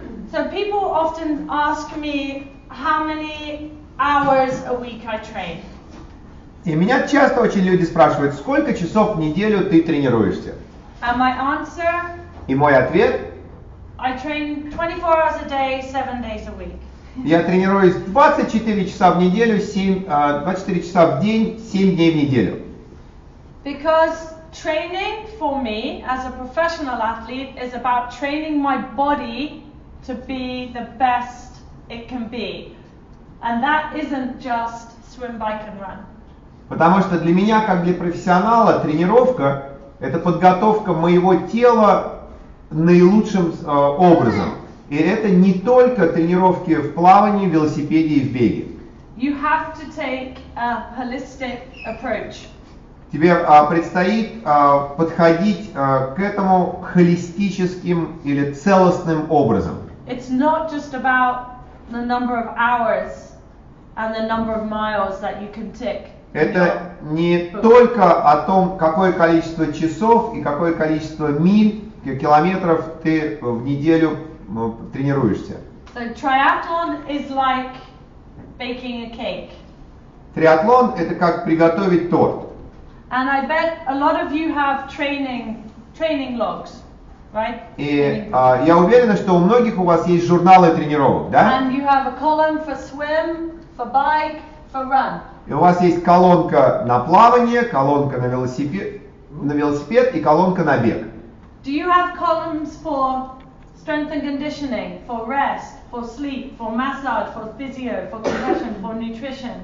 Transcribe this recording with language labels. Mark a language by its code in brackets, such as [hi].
[en] So people often ask me how many hours a week I train. [ru] И меня часто очень люди спрашивают, сколько часов в неделю ты тренируешься? [en] And my answer, [ru] и мой ответ? [en] I train 24 hours a day, 7 days a week. [ru] Я тренируюсь 24 часа в неделю, 24 часа в день, 7 дней в неделю. [en] Because training for me as a professional athlete is about training my body to be the best it can be. And that isn't just swim, bike and run. [ru] Потому что для меня, как для профессионала, тренировка – это подготовка моего тела наилучшим образом. И это не только тренировки в плавании, в велосипеде и в беге. [en] You have to take a holistic approach. [ru] Тебе предстоит подходить к этому холистическим или целостным образом. [en] It's not just about the number of hours and the number of miles that you can tick. [ru] Это не только о том, какое количество часов и какое количество миль, километров ты в неделю тренируешься. [en] So triathlon is like baking a cake. [ru] Триатлон – это как приготовить торт. [en] And I bet a lot of you have training logs, right? [ru] И я уверена, что у многих у вас есть журналы тренировок, да? [en] And you have a column for swim, for bike, for run. [ru] И у вас есть колонка на плавание, колонка на велосипед и колонка на бег. [en] Do you have columns for strength and conditioning, for rest, for sleep, for massage, for physio, for compression, for nutrition?